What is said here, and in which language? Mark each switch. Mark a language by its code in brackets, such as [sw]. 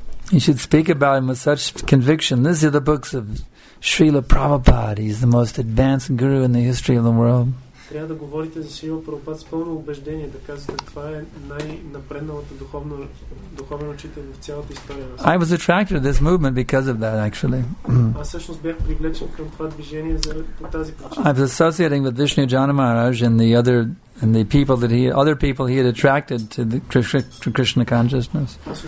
[en] You should speak about him with such conviction. These are the books of Srila Prabhupada. He's the most advanced guru in the history of the world. [bg] Трябва да говорите за Шрила Прабхупада с пълно убеждение, да казвате, това е най-напредналата духовна учител в цялата история. [en] I was attracted to this movement because of that, actually. [bg] Аз всъщност бях привлечен към това движение по тази причина. [en] I was associating with Vishnu Jana Maharaj and the other people he had attracted to the Krishna consciousness.